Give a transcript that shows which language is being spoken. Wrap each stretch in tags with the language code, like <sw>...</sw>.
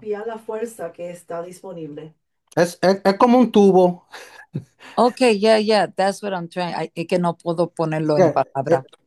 <es>apropiar la fuerza que está disponible. Es como un tubo.</es> <en>Okay, yeah, that's what I'm trying.</en> <es>Es que no puedo ponerlo en palabra.</es>